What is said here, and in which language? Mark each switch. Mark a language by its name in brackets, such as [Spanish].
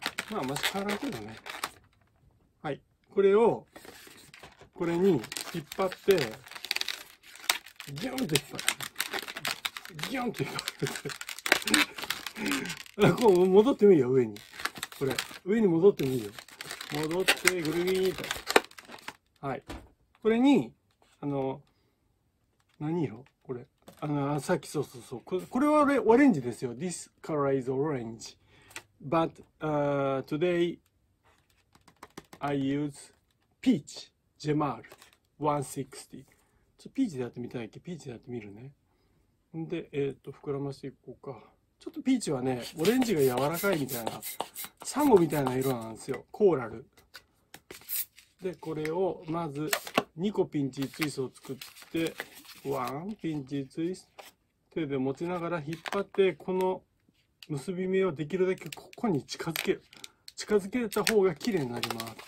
[Japanese] まあマシ変わらんけどね。はい、これをこれに引っ張ってギュンって引っ張る、ギュンって引っ張るこう戻ってもいいよ、上に、これ上に戻ってもいいよ、戻ってぐるぎーっと。はい、これにあの何色、これあのさっき、そうそうそう、これはオレンジですよ。 [English] This color is orange but today I use peach Gemar 160. [Japanese] ちょ、ピーチでやってみたいっけ。ピーチでやってみるね。で膨らませていこうか。ちょっとピーチはね、オレンジが柔らかいみたいな、サンゴみたいな色なんですよ、コーラル。でこれをまず2個ピンチツイストを作って、ワンピンチツイスト、手で持ちながら引っ張って、この結び目をできるだけここに近づける、近づけた方が綺麗になります。